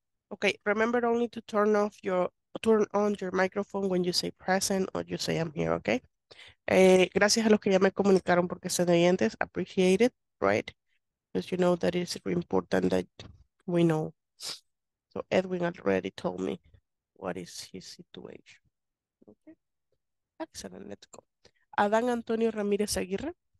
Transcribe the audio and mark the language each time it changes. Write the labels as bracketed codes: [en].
[en] Okay, remember only to turn on your microphone when you say present or you say I'm here, okay? [es] Gracias a los que ya me comunicaron porque son oyentes. [en] Appreciate it, right? Because you know that it's very important that we know. So Edwin already told me what is his situation. Okay. Excellent, let's go. Adán Antonio Ramírez Aguirre.